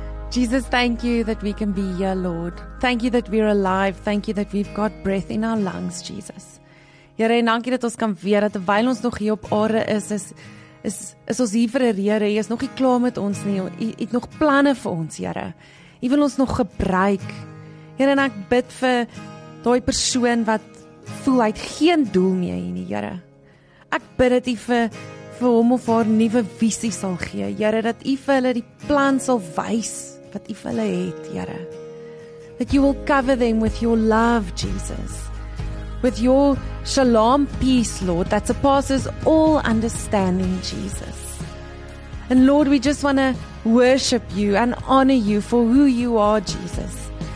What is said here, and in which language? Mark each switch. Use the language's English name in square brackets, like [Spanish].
[English] Jesus, thank you that we can be here, Lord. Thank you that we're alive. Thank you that we've got breath in our lungs, Jesus. [Afrikaans] Here, en dankie dat ons kan weet dat terwyl ons nog hier op aarde is ons hier vir 'n rede. Jy is nog nie klaar met ons nie. Jy het nog planne vir ons, Here. Jy wil ons nog gebruik. Here, en ek bid vir daai persoon wat voel hy het geen doel meer hier nie, Here. Ek bid dat U vir hom of haar nuwe visie sal gee, Here, dat U vir hulle die plan sal wys wat U vir hulle het, Here. [English] That you will cover them with your love, Jesus. With your shalom peace, Lord, that surpasses all understanding, Jesus. And Lord, we just want to worship you and honor you for who you are, Jesus.